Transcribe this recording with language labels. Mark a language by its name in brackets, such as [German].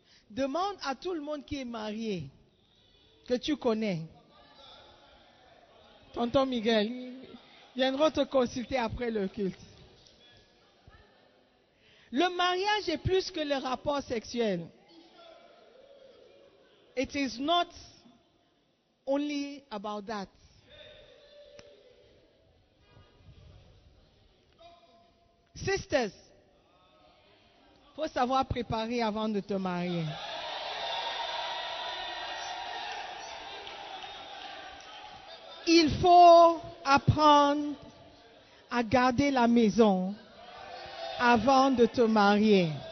[French] Demande à tout le monde qui est marié, que tu connais. Tonton Miguel, il viendra te consulter après le culte. Le mariage est plus que le rapport sexuel. [English] It is not only about that. [French] Sisters, faut savoir préparer avant de te marier. Il faut apprendre à garder la maison avant de te marier.